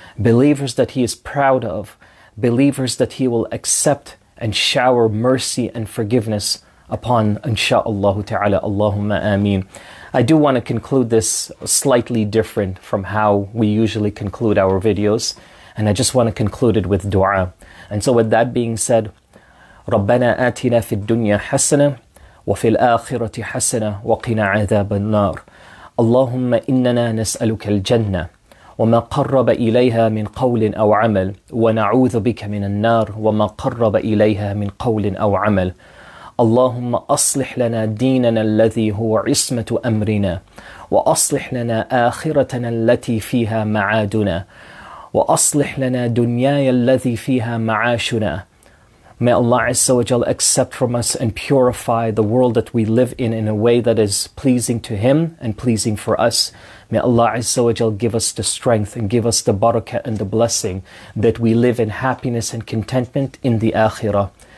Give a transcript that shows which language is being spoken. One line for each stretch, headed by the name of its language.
English: Believers that He is proud of. Believers that He will accept and shower mercy and forgiveness upon, insha'Allah ta'ala. Allahumma ameen. I do want to conclude this slightly different from how we usually conclude our videos. And I just want to conclude it with dua. And so with that being said,
Arabic: رَبَّنَا آتِنَا فِي الدُّنْيَا حَسَنًا وَفِي الْآخِرَةِ حَسَنًا وَقِنَا عَذَابَ النَّارِ اللهم إننا نسألك الجنة وما قرب إليها من قول أو عمل ونعوذ بك من النار وما قرب إليها من قول أو عمل اللهم أصلح لنا ديننا الذي هو عصمة أمرنا وأصلح لنا آخرتنا التي فيها معادنا وأصلح لنا دنياي الذي فيها معاشنا.
English: May Allah Azza wa Jal accept from us and purify the world that we live in a way that is pleasing to Him and pleasing for us. May Allah Azza wa Jal give us the strength and give us the barakah and the blessing that we live in happiness and contentment in the Akhirah.